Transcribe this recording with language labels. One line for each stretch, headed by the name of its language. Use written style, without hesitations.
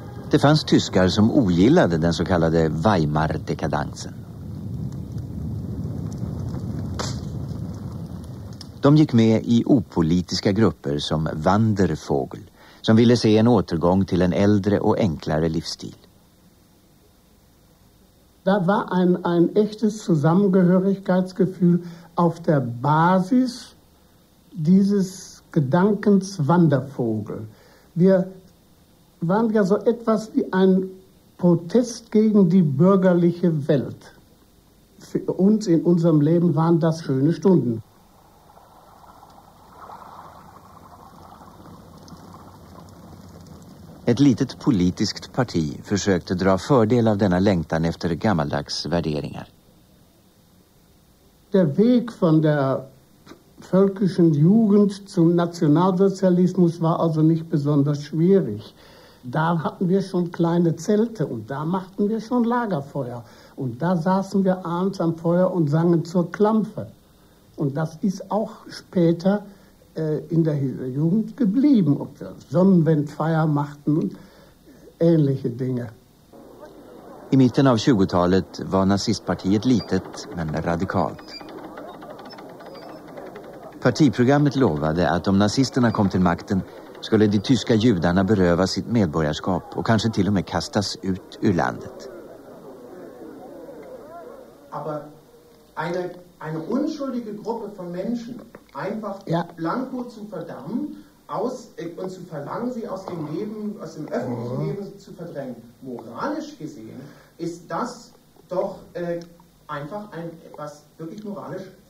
Swedish: Det fanns tyskar som ogillade den så kallade Weimar-dekadansen. De gick med i opolitiska grupper som Wandervogel, som ville se en återgång till en äldre och enklare livsstil.
German: Det var en echtes Zusammengehörigkeitsgefühl auf der Basis dieses Gedankens Wandervogel. Waren ja so etwas wie ein Protest gegen die bürgerliche Welt. Für uns in unserem Leben waren das schöne Stunden.
Swedish: Ett litet politiskt parti försökte dra fördel av denna längtan efter gammaldags värderingar.
German: Der Weg von der völkischen Jugend zum Nationalsozialismus war also nicht besonders schwierig. Da hatten wir schon kleine Zelte und da machten wir schon Lagerfeuer. Und da saßen wir abends am Feuer und sangen zur Klampfe. Und das ist auch später in der Jugend geblieben, ob wir Sonnenwendfeier machten und ähnliche Dinge.
Swedish: I mitten av 20-talet war Nazistpartiet litet, men radikalt. Partiprogrammet lovade att om nazisterna kom till makten skulle de tyska judarna beröva sitt medborgarskap och kanske till och med kastas ut ur landet.
German: Aber eine unschuldige Gruppe von Menschen einfach blanko zu verdammen aus und zu verlangen sie aus dem Leben, aus dem öffentlichen Leben zu verdrängen. Moralisch gesehen ist das doch einfach ein etwas wirklich moralisch